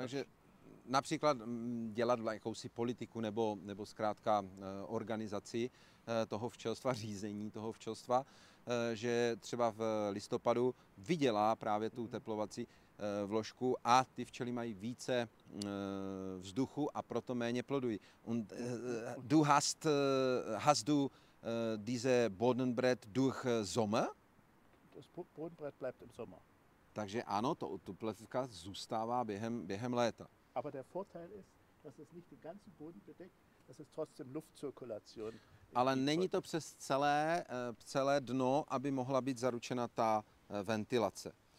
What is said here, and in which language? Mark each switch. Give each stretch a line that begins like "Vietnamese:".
Czech: takže například dělat jakousi politiku nebo zkrátka organizaci toho včelstva, řízení toho včelstva, že třeba v listopadu vydělá právě tu teplovací vložku a ty včely mají více vzduchu a proto méně plodují.
German: Und du hast du diese Bodenbrett durch Sommer? Das Bodenbrett bleibt im Sommer.
Czech: Takže ano, to tuplevka zůstává během léta.
German: Aber der Vorteil ist, dass es nicht den ganzen Boden bedeckt, dass es trotzdem Luftzirkulation.
Czech: Ale není to přes celé dno, aby mohla být zaručena ta ventilace.